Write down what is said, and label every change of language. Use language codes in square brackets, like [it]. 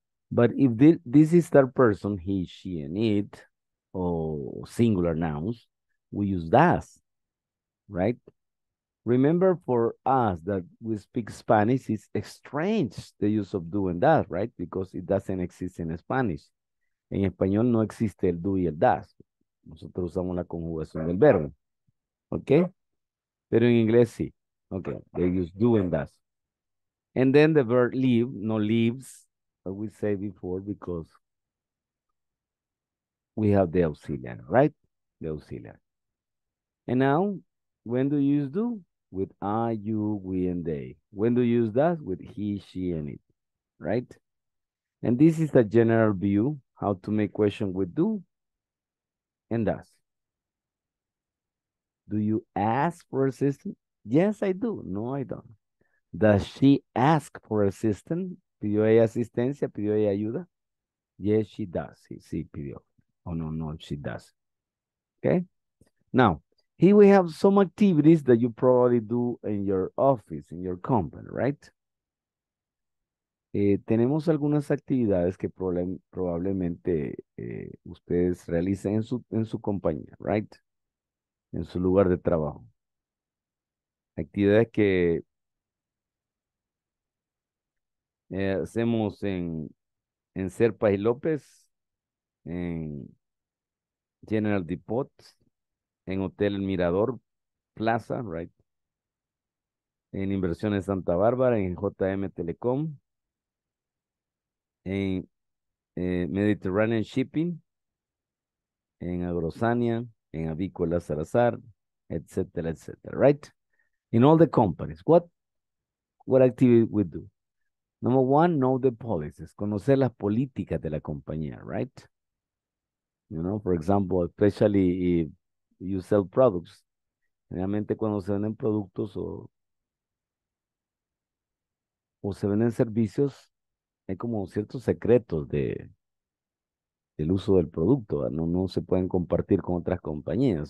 [en] But if this is third person, he, she, and it, or singular nouns, we use das, right? Remember for us that we speak Spanish, it's strange the use of do and das, right? Because it doesn't exist in Spanish. [es] En español no existe el do y el das. Nosotros usamos la conjugación del verbo, okay? Pero en inglés sí, [en] okay, they use do and das. And then the verb live, no lives, as we say before, because we have the auxiliary, right? The auxiliary. And now, when do you use do? With I, you, we, and they. When do you use that? With he, she, and it, right? And this is the general view, how to make question with do and does. Do you ask for assistance? Yes, I do. No, I don't. Does she ask for assistance? [es] ¿Pidió ella asistencia? ¿Pidió ella ayuda? [en] Yes, she does. [es] Sí, pidió. [en] Oh, no, no, she does. Okay? Now, here we have some activities that you probably do in your office, in your company, right? [es] Tenemos algunas actividades que probablemente ustedes realicen en su compañía, right? En su lugar de trabajo. Actividades que hacemos en Serpa y López, en General Depot, en Hotel Mirador Plaza, right? En Inversiones Santa Bárbara, en JM Telecom, en Mediterranean Shipping, en Agrosania, en Avícola Salazar, etcétera, etcétera, right? [en] In all the companies, what activity we do? Number one, know the policies, [es] conocer las políticas de la compañía, [en] right? You know, for example, especially if you sell products. [es] Generalmente cuando se venden productos o se venden servicios, hay como ciertos secretos del uso del producto. No, no se pueden compartir con otras compañías.